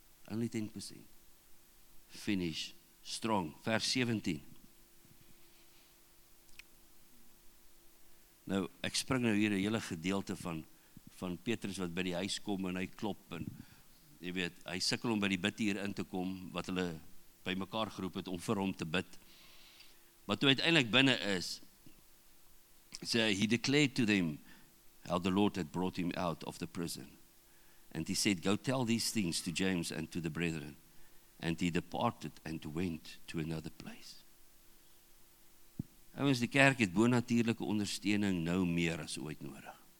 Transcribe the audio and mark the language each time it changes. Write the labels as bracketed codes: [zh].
[en] Only 10%. Finish strong. [af] Vers 17. Nou, ek spring nou hier 'n hele gedeelte van Petrus wat by die huis kom en hy klop en jy weet, hy sukkel om by die bidtuur in te kom wat hulle by mekaar geroep het om vir hom te bid. Maar toe hy uiteindelik binne is, sê hy, [en] he declared to them how the Lord had brought him out of the prison. And he said, go tell these things to James and to the brethren. And he departed and went to another place. [af] Ons die kerk het bonatuurlike ondersteuning nou meer as ooit nodig.